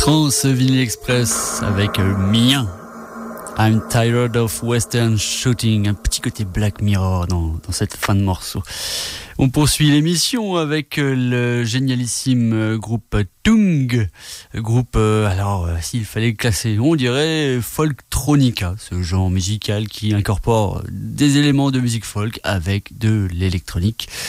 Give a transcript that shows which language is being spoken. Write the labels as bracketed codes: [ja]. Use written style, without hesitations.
[fr] Ce Vinyl Express avec Mien. [en] I'm tired of western shooting. [fr] Un petit côté Black Mirror dans cette fin de morceau. On poursuit l'émission avec le génialissime groupe Tung. Groupe, alors s'il fallait le classer, on dirait Folktronica, ce genre musical qui incorpore des éléments de musique folk avec de l'électronique.